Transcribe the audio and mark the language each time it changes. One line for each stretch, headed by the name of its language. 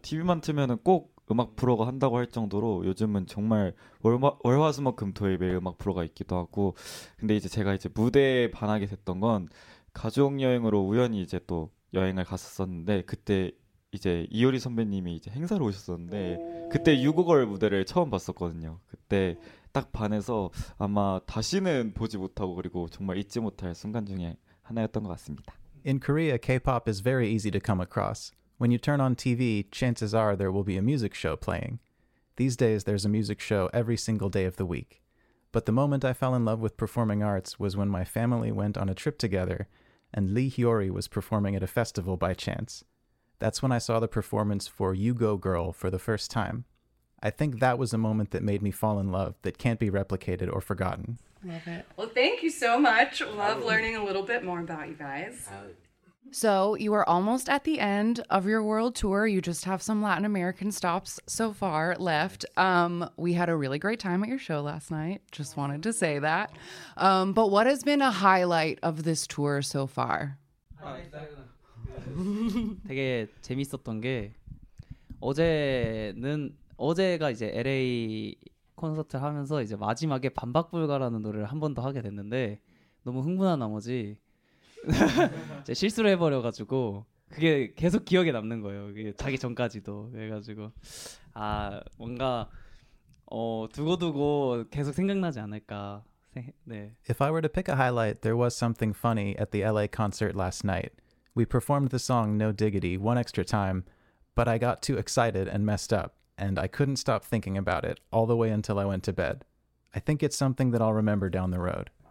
Korean: TV만 틀면은 꼭 음악 프로가 한다고 할 정도로 요즘은 정말 월화수목금 토일 매일 음악 프로가 있기도 하고 근데 이제 제가 이제 무대에 반하게 됐던 건 가족 여행으로 우연히 이제 또 여행을 갔었었는데 그때 이제 이효리 선배님이 이제 행사로 오셨었는데 그때 유고걸 무대를 처음 봤었거든요. 그때 딱 반해서 아마 다시는 보지 못하고 그리고 정말 잊지 못할 순간 중에 하나였던 것 같습니다.
English: In Korea, K-pop is very easy to come across. When you turn on TV, chances are there will be a music show playing. These days, there's a music show every single day of the week. But the moment I fell in love with performing arts was when my family went on a trip together and Lee Hyori was performing at a festival by chance. That's when I saw the performance for You Go Girl for the first time. I think that was a moment that made me fall in love that can't be replicated or forgotten. Love it. Well, thank you so much. Love learning a little bit more about you guys. So you are almost at the end of your world tour. You just have some Latin American stops so far left. We had a really great time at your show last night. Just wanted to say that. But what has been a highlight of this tour so far?
Korean: 되게 재밌었던 게 어제가 이제 LA 콘서트 하면서 이제 마지막에 반박불가라는 노래를 한 번 더 하게 됐는데 너무 흥분한 나머지 이제 실수를 해버려가지고 그게 계속 기억에 남는 거예요. 자기 전까지도 그래가지고 아 뭔가 두고두고 계속 생각나지 않을까. 네.
English: If I were to pick a highlight, there was something funny at the LA concert last night. We performed the song No Diggity one extra time, but I got too excited and messed up, and I couldn't stop thinking about it all the way until I went to bed. I think it's something that I'll remember down the road.